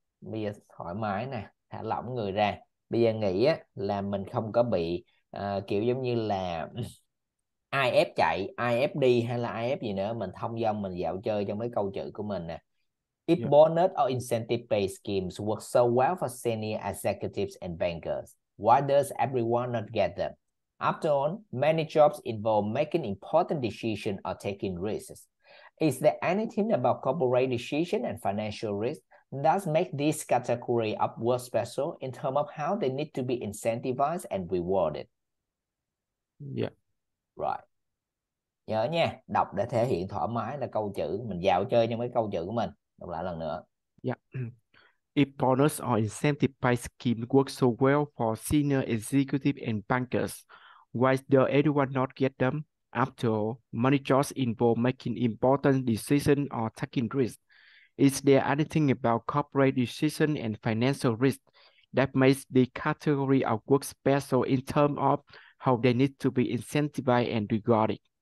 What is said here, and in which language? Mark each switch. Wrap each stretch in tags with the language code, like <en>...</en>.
<vi>Bây giờ thoải mái nè, thả lỏng người ra. Bây giờ nghĩ á, là mình không có bị kiểu giống như là ai ép chạy, ai ép đi hay là ai ép gì nữa. Mình thông dong, mình dạo chơi trong mấy câu chữ của mình nè.</vi> <en>If bonus or incentive pay schemes work so well for senior executives and bankers, why does everyone not get them? After all, many jobs involve making important decisions or taking risks. Is there anything about corporate decision and financial risk that makes this category of work special in terms of how they need to be incentivized and rewarded? Yeah. Right.</en> <vi>Nhớ nha, đọc để thể hiện thoải mái là câu chữ, mình dạo chơi trong cái câu chữ của mình. Đọc lại lần nữa.</vi> <en>Yeah. If bonus or incentive scheme works so well for senior executives and bankers, why does everyone not get them? After all, money jobs involve making important decisions or taking risks. Is there anything about corporate decision and financial risk that makes the category of work special in terms of how they need to be incentivized and rewarded?</en>